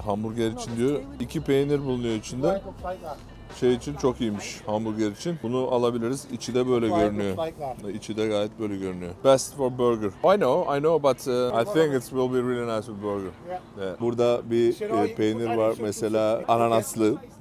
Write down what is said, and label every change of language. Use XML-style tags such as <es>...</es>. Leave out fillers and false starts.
<tr>Hamburger için diyor. 2 peynir bulunuyor içinde. Şey için çok iyiymiş hamburger için. Bunu alabiliriz. İçi de böyle görünüyor. İçi de gayet böyle görünüyor.</tr> <en>Best for burger. I know but I think it will be really nice for burger. Yeah.</en> <tr>Burada bir peynir var mesela ananaslı.</tr>